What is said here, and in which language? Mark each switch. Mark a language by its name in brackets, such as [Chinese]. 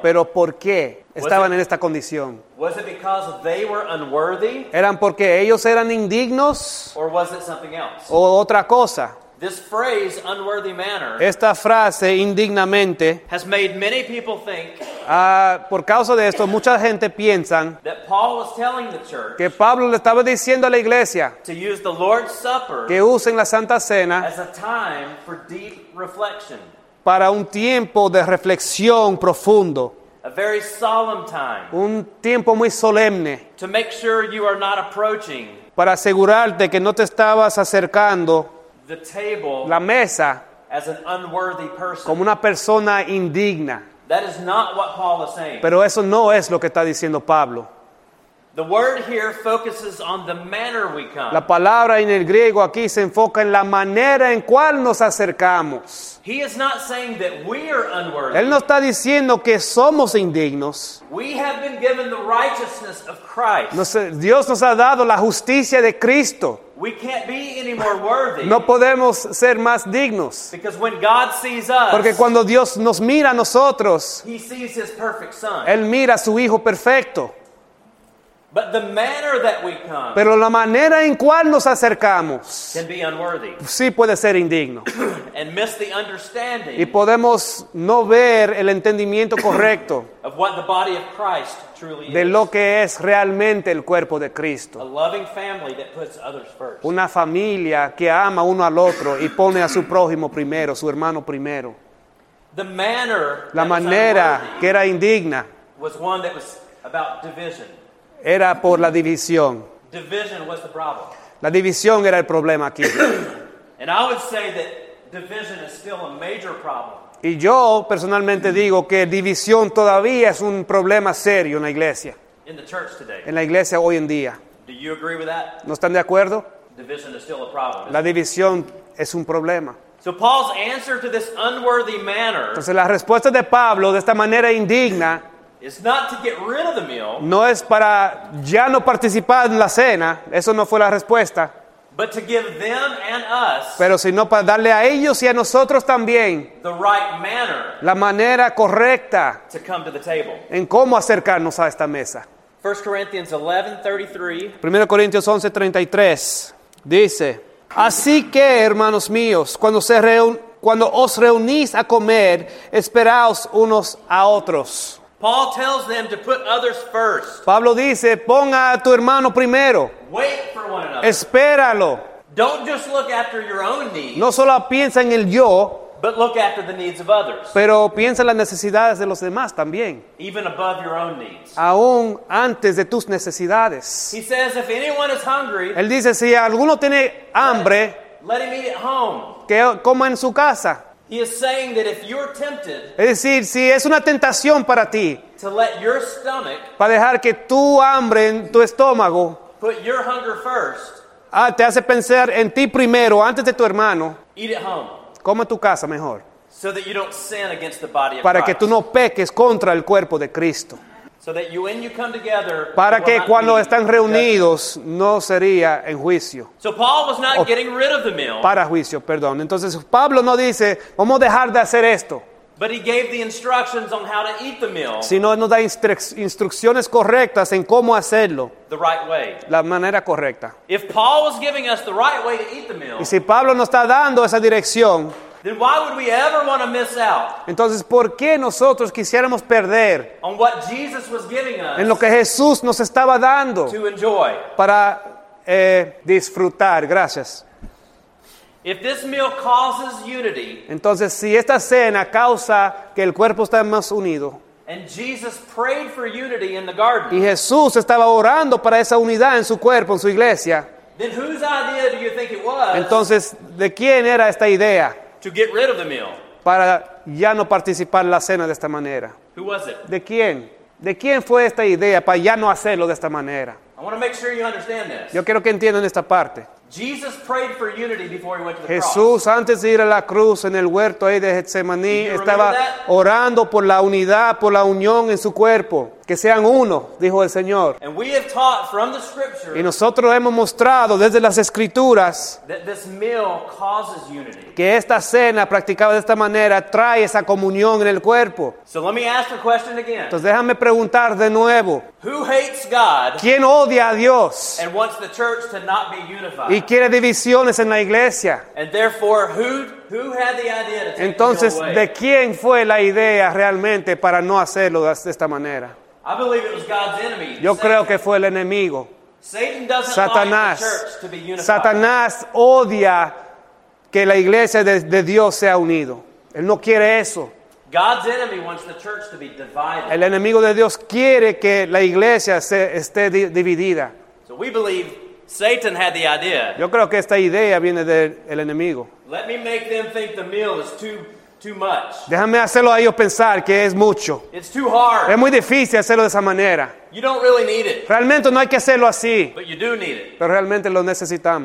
[Spanish] Pero ¿por qué estaban en esta condición? [English] Was it because they were unworthy? [Spanish] ¿Eran porque ellos eran indignos? [English] Or was it something else? [Spanish] ¿O otra cosa? [English] This phrase, unworthy manner, [Spanish] esta frase, indignamente, [English] has made many people think, [Spanish] por causa de esto, mucha gente piensa [English] that Paul was telling the church, [Spanish] que Pablo le estaba diciendo a la iglesia [English] to use the Lord's Supper, [Spanish] que usen la Santa Cena [English] as a time for deep reflection, [Spanish] para un tiempo de reflexión profundo. [English] A very solemn time, [Spanish] un tiempo muy solemne, [English] to make sure you are not approaching, [Spanish] para asegurarte que no te estabas acercando [English] the table, [Spanish] la mesa, [English] as an unworthy person, [Spanish] como una persona indigna. [English] That is not what Paul is saying. [Spanish] Pero eso no es lo que está diciendo Pablo. [English] The word here focuses on the manner we come. [Spanish] La palabra en el griego aquí se enfoca en la manera en cual nos acercamos. [English] He is not saying that we are unworthy. [Spanish] Él no está diciendo que somos indignos. [English] We have been given the righteousness of Christ. [Spanish] Dios nos ha dado la justicia de Cristo. [English] We can't be any more worthy. [Spanish] No podemos ser más dignos. [English] Because when God sees us, [Spanish] porque cuando Dios nos mira a nosotros, [English] he sees his perfect son. [Spanish] Él mira a su Hijo perfecto. [English] But the manner that we come, [Spanish] pero la manera en cual nos acercamos, [English] can be unworthy. [Spanish] Sí puede ser indigno. [English] And miss the understanding, [Spanish] y podemos no ver el entendimiento correcto [English] of what the body of Christ truly [Spanish] de [English] is. [Spanish] Lo que es realmente el cuerpo de Cristo. [English] A loving family that puts others first. [Spanish] Una familia que ama uno al otro y pone a su prójimo primero, su hermano primero. [English] The manner, [Spanish] la manera que era indigna, [English] was one that was about division. [Spanish] Era por la división. [English] Division was the problem. [Spanish] La división era el problema aquí. [English] And I would say that division is still a major problem. [Spanish] Y yo personalmente digo que división todavía es un problema serio en la iglesia. [English] In the church today. [Spanish] En la iglesia hoy en día. [English] Do you agree with that? [Spanish] ¿No están de acuerdo? [English] Division is still a problem. [Spanish] La división es un problema. [English] So Paul's answer to this unworthy manner. [Spanish] Entonces la respuesta de Pablo de esta manera indigna. [English] It's not to get rid of the meal. [Spanish] No es para ya no participar en la cena. Eso no fue la respuesta. [English] But to give them and us. [Spanish] Pero sino para darle a ellos y a nosotros también. [English] The right manner. [Spanish] La manera correcta. [English] To come to the table. [Spanish] En cómo acercarnos a esta mesa. [English] 1 Corinthians 11:33. [Spanish] 1 Corintios 11:33 dice. Así que, hermanos míos, cuando os reunís a comer, esperaos unos a otros. [English] Paul tells them to put others first. [Spanish] Pablo dice, ponga a tu hermano primero. [English] Wait for one another. [Spanish] Espéralo. [English] Don't just look after your own needs. [Spanish] No solo piensa en el yo. [English] But look after the needs of others. [Spanish] Pero piensa en las necesidades de los demás también. [English] Even above your own needs. [Spanish] Aún antes de tus necesidades. [English] He says, if anyone is hungry. [Spanish] Él dice, si alguno tiene hambre. [English] Let him eat at home. [Spanish] Que coma en su casa. [English] He is saying that if you're tempted, [Spanish] es decir, si es una tentación para ti, [English] to let your stomach, [Spanish] para dejar que tu hambre en tu estómago, [English] put your hunger first, [Spanish] te hace pensar en ti primero, antes de tu hermano, [English] eat at home, [Spanish] come en tu casa mejor, [English] so that you don't sin against the body of [Spanish] para [English] Christ, [Spanish] que tú no peques contra el cuerpo de Cristo. [English] So that you, when you come together, [Spanish] para que cuando están reunidos no sería en juicio. [English] So Paul was not getting rid of the meal. [Spanish] Para juicio, perdón. Entonces Pablo no dice, vamos a dejar de hacer esto. [English] But he gave the instructions on how to eat the meal. [Spanish] Sino nos da instrucciones correctas en cómo hacerlo. [English] The right way. [Spanish] La manera correcta. [English] If Paul was giving us the right way to eat the meal. [Spanish] Y si Pablo nos está dando esa dirección. [English] Then why would we ever want to miss out? [Spanish] Entonces, ¿por qué nosotros quisiéramos perder? [English] On what Jesus was giving us. [Spanish] En lo que Jesús nos estaba dando. [English] To enjoy. [Spanish] Para disfrutar. Gracias. [English] If this meal causes unity, [Spanish] entonces si esta cena causa que el cuerpo está más unido, [English] and Jesus prayed for unity in the garden, [Spanish] y Jesús estaba orando para esa unidad en su cuerpo, en su iglesia, [English] then whose idea do you think it was? [Spanish] Entonces, ¿de quién era esta idea? [English] To get rid of the meal. [Spanish] Para ya no participar en la cena de esta manera. [English] Who was it? [Spanish] ¿De quién? ¿De quién fue esta idea para ya no hacerlo de esta manera? [English] I want to make sure you understand this. [Spanish] Yo quiero que entiendan esta parte. [English] Jesus prayed for unity before he went to the [Spanish] Jesús, [English] cross. [Spanish] Antes de ir a la cruz en el huerto ahí de Getsemaní, estaba orando por la unidad, por la unión en su cuerpo. Que sean uno, dijo el Señor. [English] And we have taught from the scriptures, [Spanish] y nosotros hemos mostrado desde las Escrituras [English] that this meal causes unity. [Spanish] Que esta cena practicada de esta manera trae esa comunión en el cuerpo. [English] So let me ask the question again. [Spanish] Entonces déjame preguntar de nuevo. [English] Who hates God? [Spanish] ¿Quién odia a Dios? [English] And wants the church to not be unified. [Spanish] Y quiere divisiones en la iglesia. [English] And therefore, who had the idea to take [Spanish] entonces, [English] the meal away? [Spanish] ¿De quién fue la idea realmente para no hacerlo de esta manera? [English] I believe it was God's enemy. [Spanish] Yo creo que fue el enemigo. [English] Satan doesn't Satanás. Like the church to be unified. [Spanish] Satanás odia que la iglesia de Dios sea unido. Él no quiere eso. [English] God's enemy wants the church to be divided. [Spanish] El enemigo de Dios quiere que la iglesia esté dividida. [English] So we believe Satan had the idea. [Spanish] Yo creo que esta idea viene del enemigo. [English] Let me make them think the meal is too much. [Spanish] Déjame hacerlo a ellos pensar que es mucho. [English] It's too hard. [Spanish] Es muy difícil hacerlo de esa manera. [English] You don't really need it. [Spanish] Realmente no hay que hacerlo así. [English] But you do need it. [Spanish] Pero realmente lo necesitamos.